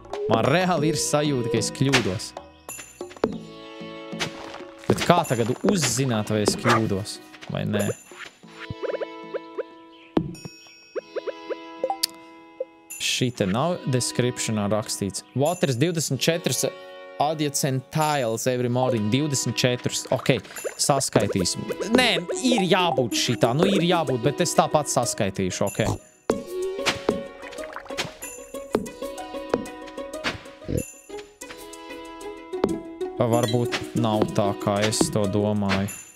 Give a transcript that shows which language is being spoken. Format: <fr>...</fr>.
<lv>Man reāli ir sajūta, ka es kļūdos. Bet kā tagad uzzināt, vai es kļūdos, vai nē? Šī te nav descriptionā rakstīts.</lv> <en>Waters 24 adjacent tiles every morning.</en> <lv>24, ok, saskaitīsim. Nē, ir jābūt šitā, nu ir jābūt, bet es tāpat saskaitīšu, ok. Varbūt nav tā, kā es to domāju.</lv>